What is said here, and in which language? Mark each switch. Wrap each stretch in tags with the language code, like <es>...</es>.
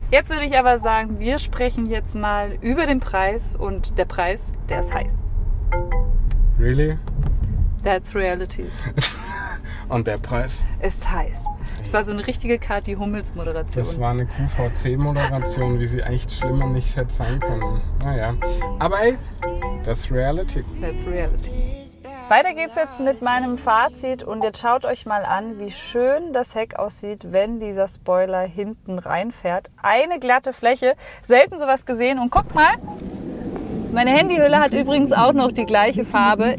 <de>Jetzt würde ich aber sagen, wir sprechen jetzt mal über den Preis, und der Preis, der ist heiß.</de> <en>Really? That's reality.</en> <de>Und der Preis? Ist heiß. Das war so eine richtige Kathi Hummels-Moderation. Das war eine QVC-Moderation, wie sie echt schlimmer nicht hätte sein können. Naja, aber ey,</de> <en>that's reality. That's reality.</en> <de>Weiter geht's jetzt mit meinem Fazit. Und jetzt schaut euch mal an, wie schön das Heck aussieht, wenn dieser Spoiler hinten reinfährt. Eine glatte Fläche, selten sowas gesehen. Und guckt mal, meine Handyhülle hat übrigens auch noch die gleiche Farbe.</de>